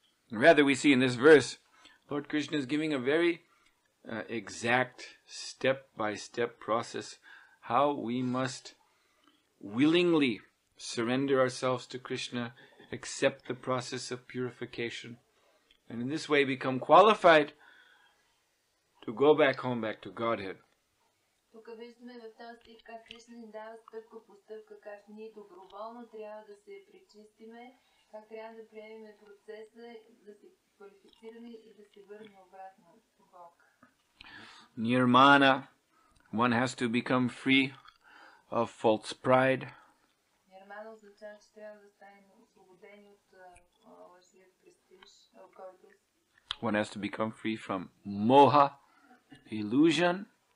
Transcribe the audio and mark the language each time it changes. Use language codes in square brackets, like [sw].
[en] Rather, we see in this verse, Lord Krishna is giving a very exact step-by-step process how we must willingly surrender ourselves to Krishna, accept the process of purification, and in this way become qualified to go back to Godhead. [bg] Тук виждаме в този стих как Кришна ни дава стъпка по стъпка, как ние доброволно трябва да се причистиме, как трябва да приемем процеса, да се квалифицираме и да се върнем обратно в Бог. [en] Нирмана, one has to become free of false pride. [bg] Нирмана означава, че трябва да станем освободени от лъжият престиж, гордост. [en] One has to become free from moha, illusion.